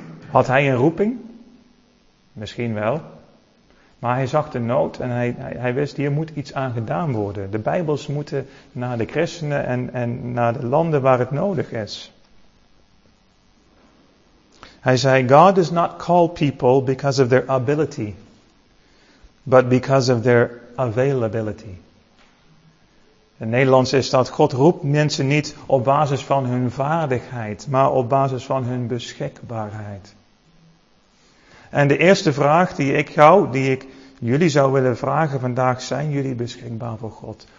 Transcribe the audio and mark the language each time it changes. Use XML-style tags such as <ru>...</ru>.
<nl>Had hij een roeping? Misschien wel. Maar hij zag de nood en hij wist: hier moet iets aan gedaan worden. De Bijbels moeten naar de christenen en naar de landen waar het nodig is. Hij zei:</nl> <en>God does not call people because of their ability, but because of their availability.</en> <nl>In het Nederlands is dat: God roept mensen niet op basis van hun vaardigheid, maar op basis van hun beschikbaarheid. En de eerste vraag die ik jullie zou willen vragen vandaag: zijn jullie beschikbaar voor God?</nl>